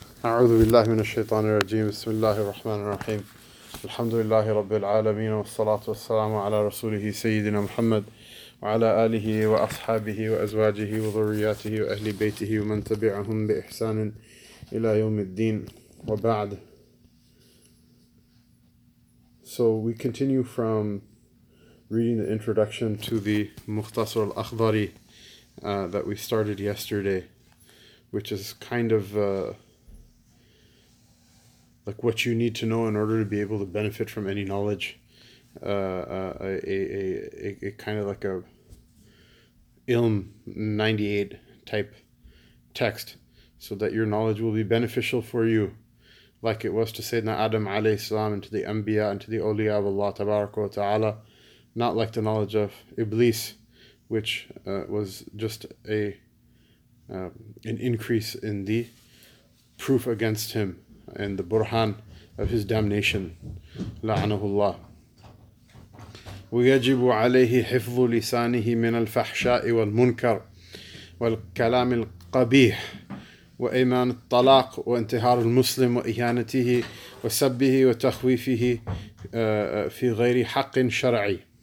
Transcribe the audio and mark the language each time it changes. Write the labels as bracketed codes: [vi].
[ar] أعوذ بالله من الشيطان الرجيم بسم الله الرحمن الرحيم الحمد لله رب العالمين والصلاة والسلام على رسوله سيدنا محمد وعلى آله وأصحابه وأزواجه وذرياته وأهل بيته ومن تبعهم بإحسان إلى يوم الدين وبعد. [en] So we continue from reading the introduction to the مختصر الأخضري that we started yesterday, which is kind of like what you need to know in order to be able to benefit from any knowledge, a kind of like a ilm 98 type text, so that your knowledge will be beneficial for you, like it was to Sayyidina Adam alayhi salam and to the Anbiya and to the Awliya of Allah tabaraka wa ta'ala, not like the knowledge of Iblis, which was just an increase in the proof against him and the burhan of his damnation. [ar] لعنه الله. ويجب عليه حفظ لسانه من الفحشاء والمنكر والكلام القبيح وإيمان الطلاق وانتهار المسلم وإهانته وسبه وتخويفه في غير حق شرعي.